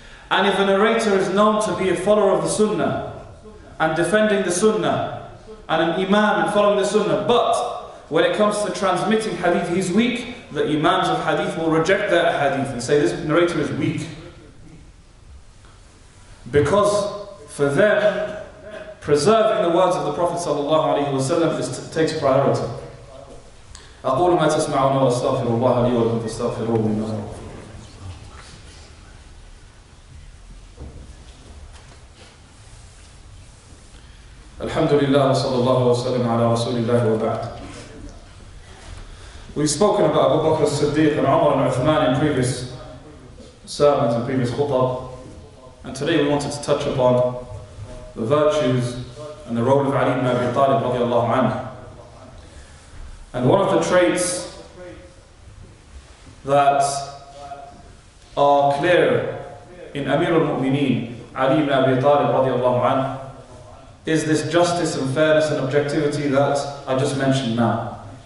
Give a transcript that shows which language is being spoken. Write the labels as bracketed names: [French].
[English] And if a narrator is known to be a follower of the Sunnah and defending the Sunnah and an Imam and following the Sunnah, but when it comes to transmitting hadith, he's weak, the Imams of hadith will reject that hadith and say this narrator is weak. Because for them, preserving the words of the Prophet ﷺ takes priority. [Arabic] أقول ما تسمعون واستغفر الله لي ولكم فاستغفروه إنه غفور. الحمد لله وصلى الله وسلم على رسول الله وبعد. [English] We've spoken about Abu Bakr as-Siddiq and Umar and Uthman in previous sermons and previous khutbah. And today we wanted to touch upon the virtues and the role of Ali ibn Abi Talib [Arabic] رضي الله عنه. [English] And one of the traits that are clear in Amir al-Mu'mineen, Ali ibn Abi Talib radiallahu anhu, is this justice and fairness and objectivity that I just mentioned now.